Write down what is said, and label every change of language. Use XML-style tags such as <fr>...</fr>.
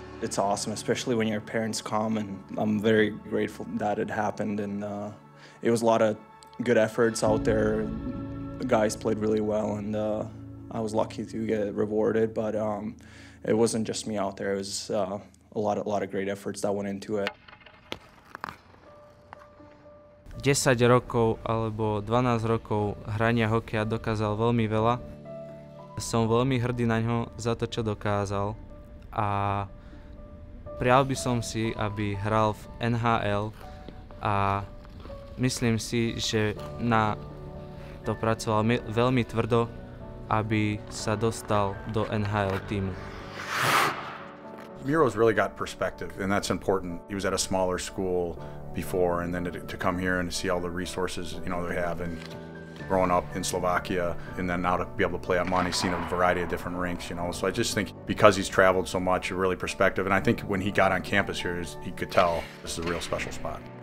<en>It's awesome, especially when your parents come, and I'm very grateful that it happened. And it was a lot of good efforts out there. The guys played really well, and I was lucky to get rewarded. But it wasn't just me out there. It was a lot of great efforts that went into it.</en> <sk>10 rokov alebo 12 rokov hrania hokeja dokázal veľmi veľa. Som veľmi hrdý na ňo za to, čo dokázal. A prial by som si, aby hral v NHL. A myslím si, že na to pracoval veľmi tvrdo, aby sa dostal do NHL týmu.</sk> <en>Miro's really got perspective, and that's important. He was at a smaller school before, and then to come here and to see all the resources, you know, they have, and growing up in Slovakia, and then now to be able to play at Monty, seeing a variety of different rinks, you know. So I just think because he's traveled so much, really perspective, and I think when he got on campus here, he could tell this is a real special spot.</en>